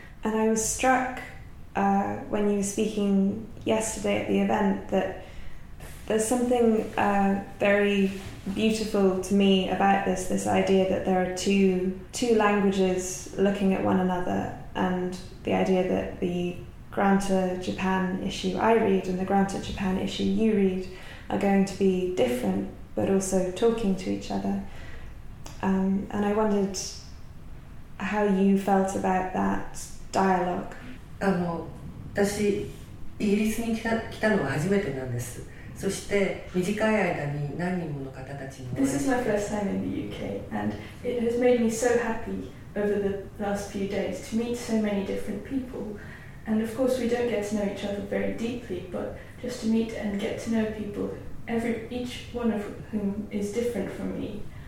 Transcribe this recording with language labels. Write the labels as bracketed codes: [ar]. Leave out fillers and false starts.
[en] And I was struck when you were speaking yesterday at the event that there's something very beautiful to me about this idea that there are two languages looking at one another, and the idea that the Granta Japan issue I read and the Granta Japan issue you read are going to be different, but also talking to each other. And I wondered how you felt about that dialogue. [ja] 私、イギリスに来たのは初めてなんです。そして短い間に何人もの方たちに。 [en] This is my first time in the UK, and it has made me so happy over the last few days to meet so many different people. And of course we don't get to know each other very deeply, but just to meet and get to know people, each one of whom is different from me.